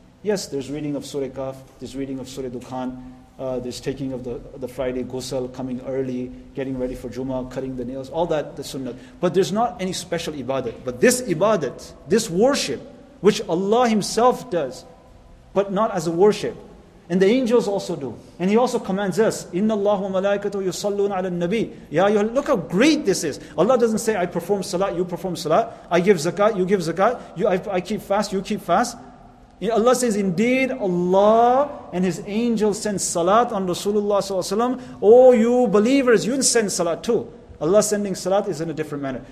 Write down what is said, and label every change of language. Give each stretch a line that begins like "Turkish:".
English: Yes, there's reading of Surah Kaf, there's reading of Surah Dukhan, there's taking of the Friday ghusl, coming early, getting ready for Jummah, cutting the nails, all that, the sunnah. But there's not any special ibadat. But this ibadat, this worship, which Allah Himself does, but not as a worship, and the angels also do. And he also commands us,
Arabic: إِنَّ اللَّهُ وَمَلَائِكَتُهُ يُصَلُّونَ عَلَى النَّبِيِّ.
English: Ya ayyuhal, look how great this is. Allah doesn't say, I perform salat, you perform salat. I give zakat, you give zakat. I keep fast, you keep fast. Allah says, indeed Allah and his angels send salat on Rasulullah ﷺ. Oh, you believers, you send salat too. Allah sending salat is in a different manner.